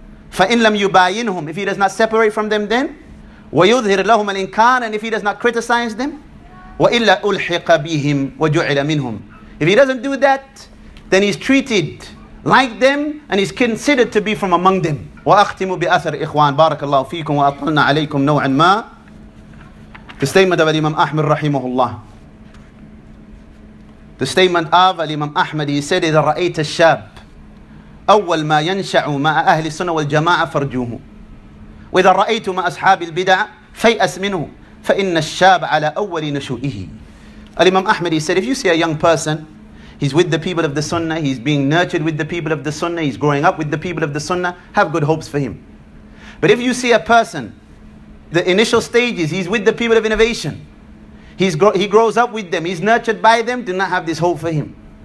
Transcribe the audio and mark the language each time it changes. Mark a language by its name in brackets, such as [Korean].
[Arabic] فَإِنْ لَمْ يُبَايِنْهُمْ, [English] if he does not separate from them then, [Arabic] وَيُظْهِرْ لَهُمَ الْإِنْكَانَ, [English] and if he does not criticize them, [Arabic] وَإِلَّا أُلْحِقَ بِهِمْ وَجُعِلَ مِنْهُمْ, [English] if he doesn't do that, then he's treated like them and he's considered to be from among them. [Arabic] وَأَخْتِمُ بِأَثَرِ إِخْوَانِ بَارَكَ اللَّهُ فِيكُمْ وَأَطْلَنَا عَلَيْكُمْ نَوْعًا مَا [English] The statement of Imam Ahmad rahimahullah. The statement of Imam Ahmad, he said, [Arabic] إِذَا رَأَيْتَ الشَّابِ أول ما ينشع مع أهل السنة والجماعة فرجوه وإذا رأيت مع أصحاب البدع فيأس منه فإن الشاب على أول نشوئه. [English] الإمام أحمد, he said, if you see a young person, he's with the people of the sunnah, he's being nurtured with the people of the sunnah, he's growing up with the people of the sunnah, have good hopes for him. But if you see a person, the initial stages, he's with the people of innovation, he grows up with them, he's nurtured by them, do not have this hope for him.